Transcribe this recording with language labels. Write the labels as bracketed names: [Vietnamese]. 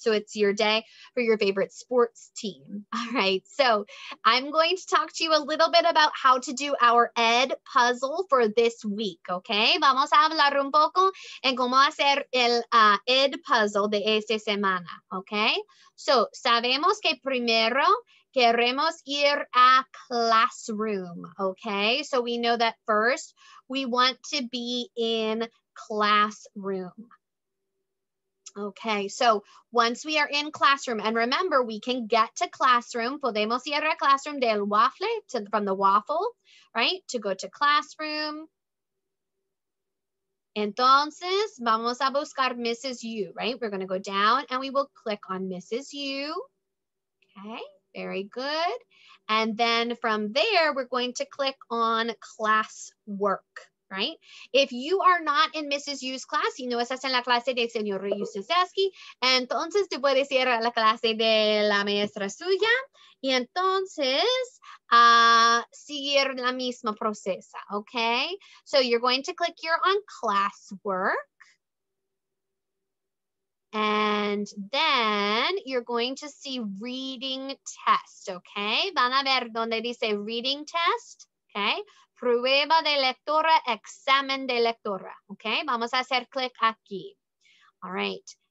[English] So it's your day for your favorite sports team. All right, so I'm going to talk to you a little bit about how to do our ed puzzle for this week, okay? [Spanish] Vamos a hablar un poco en cómo hacer el ed puzzle de esta semana, okay? So sabemos que primero queremos ir a classroom, okay? [English] So we know that first we want to be in classroom. Okay, so once we are in classroom, and remember, we can get to classroom, [Spanish] podemos ir a classroom del waffle, [English] from the waffle, right? To go to classroom. [Spanish] Entonces, vamos a buscar Mrs. U, [English] right? We're going to go down and we will click on Mrs. U, okay? Very good. And then from there, we're going to click on classwork, right? If you are not in Mrs. [Spanish] U's class, y no estás en la clase de señor Reese-Ustaszewski, entonces tú puedes ir a la clase de la maestra suya, y entonces seguir la misma procesa, okay? [English] So you're going to click here on classwork. And then you're going to see reading test, okay? [Spanish] Van a ver donde dice reading test, okay? Prueba de lectura, examen de lectura, okay? Vamos a hacer click aquí. [English] All right.